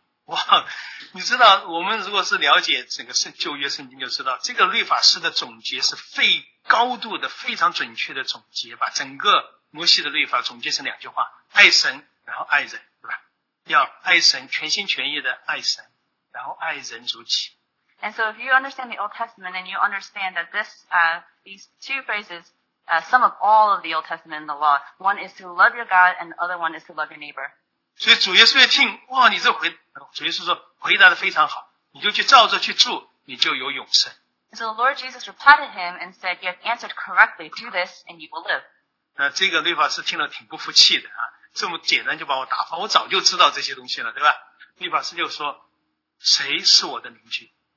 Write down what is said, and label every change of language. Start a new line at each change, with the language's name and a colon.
Chinese: 哇，你知道我们如果是了解整个旧约圣经，就知道这个律法师的总结是废。高度的非常准确的总结，把整个摩西的律法总结成两句话，爱神然后爱人，对吧？要爱神，全心全意的爱神，然后爱人如己。
English: And so if you understand the Old Testament, then you understand that this, these two phrases, sum up all of the Old Testament and the law. One is to love your God, and the other one is to love your neighbor.
Chinese: 所以主耶稣一听，哇，你这回，主耶稣说，回答的非常好，你就去照着去住，你就有永生。
English: So the Lord Jesus replied to him and said, "You have answered correctly. Do this, and you will live."
Chinese: 那这个律法师听了挺不服气的啊，这么简单就把我打发，我早就知道这些东西了，对吧？律法师就说，谁是我的邻居？